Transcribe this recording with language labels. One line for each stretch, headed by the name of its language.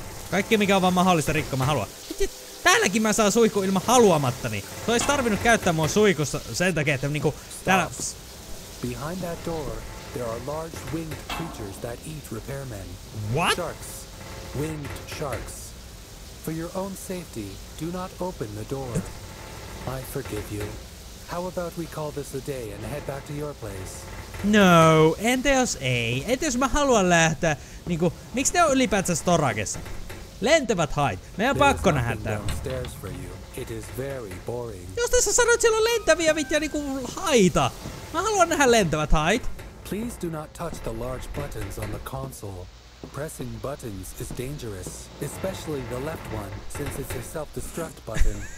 Finnish: Kaikki mikä on vaan mahdollista rikkoa, mä haluan. Täälläkin mä saan suihku ilman haluamattani. Se olisi tarvinnut käyttää mua suihkussa sen takia, että niinku täällä...
English: Behind that door, there are large winged creatures that eat repairmen. What? Sharks. Winged sharks. For your own safety, do not open the door. I forgive you. How about we call this a day and head back to your place?
Finnish: No, entä jos ei? Entä jos mä haluan lähteä, niinku, miksi ne on ylipäätänsä Storagessa? Lentävät hait. Meidän on pakko nähdä tää. It is very boring. Jos tässä sanot, siellä on lentäviä vittiä niinku haita. Mä haluan nähdä lentävät hait.
English: Please do not touch the large buttons on the console. Pressing buttons is dangerous, especially the left one, since it's a self-destruct button.